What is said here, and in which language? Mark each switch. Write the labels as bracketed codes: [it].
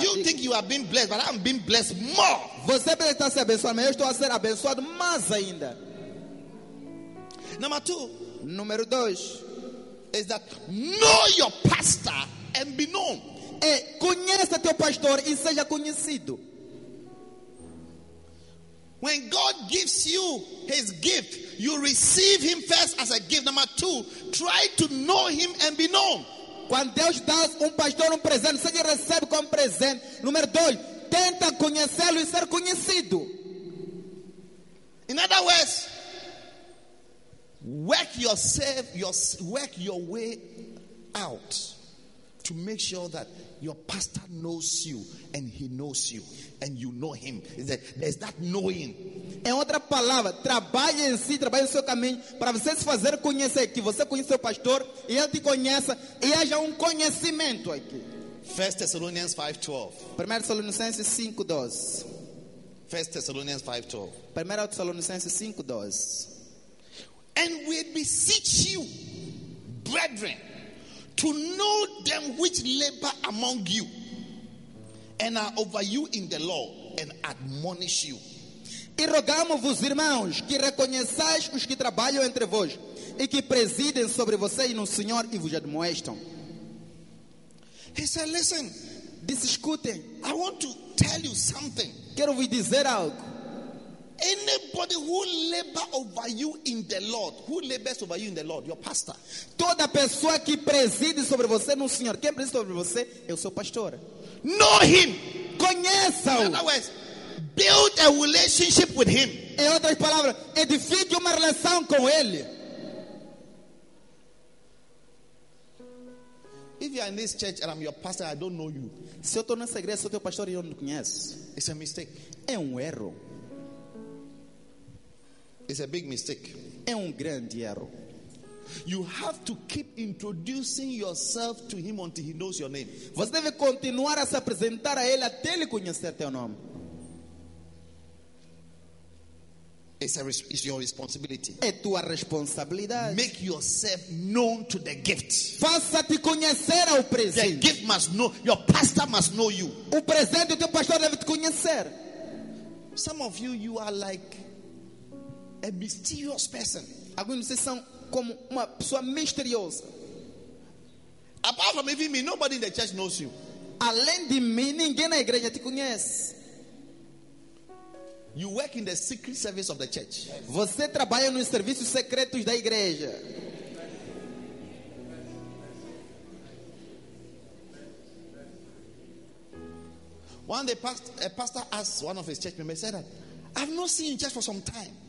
[en] You think you have been blessed, but I'm being blessed more. [pt] Você pensa que está a ser abençoado, mas eu estou a ser abençoado mais ainda. [en] Number two. [pt] Número dois. [en] Is that know your pastor and be known. [pt] É, conheça teu pastor e seja conhecido. [en] When God gives you his gift, you receive him first as a gift. Number two, try to know him and be known. [pt] Quando Deus dá pastor presente, você recebe como presente. Número dois, tenta conhecê-lo e ser conhecido. [en] In other words, work your way out to make sure that your pastor knows you and he knows you and you know him. There's that knowing. [pt] Em outra palavra, trabalhe em si, trabalhe no seu caminho para você se fazer conhecer, que você conhece o pastor e ele te conheça e haja conhecimento aqui. [en] 1 Thessalonians 5:12. 1 Thessalonians 5:12. 1 Thessalonians 5:12. 1 Thessalonians 5:12. And we beseech you, brethren, to know them which labor among you and are over you in the Lord and admonish you. [pt] E rogamos-vos, irmãos, que reconheçais os que trabalham entre vós e que presidem sobre vocês no Senhor e vos admoestam. [en] He said, listen, [pt] disse, escutem, [en] I want to tell you something. [pt] Quero vos dizer algo. [en] Anybody who labors over you in the Lord, who labors over you in the Lord, your pastor. [pt] Toda pessoa que preside sobre você no Senhor, quem preside sobre você é o seu pastor. [en] Know him. [pt] Conheça-o. [en] In other words, build a relationship with him. [pt] Em outras palavras, edifique uma relação com ele. [en] If you are in this church and I'm your pastor, I don't know you. [pt] Se eu tô nessa igreja, sou teu pastor e eu não conheço. [en] It's a mistake. [pt] É erro. [en] It's a big mistake. [pt] É grande erro. [en] You have to keep introducing yourself to him until he knows your name. [pt] Você deve continuar a se apresentar a ele até ele conhecer teu nome. [en] It's your responsibility. [pt] É tua responsabilidade. [en] Make yourself known to the gift. [pt] Faça-te conhecer ao presente. [en] The gift must know, your pastor must know you. [pt] O presente, o teu pastor deve te conhecer. [en] Some of you, you are like a mysterious person. [pt] Alguns de vocês são como uma pessoa misteriosa. [en] Apart from even me, nobody in the church knows you. [pt] Além de mim, ninguém na igreja te conhece. [en] You work in the secret service of the church. [pt] Você trabalha nos serviços secretos da igreja. [en] One day, a pastor asked one of his church members, said, "I've not seen you in church for some time."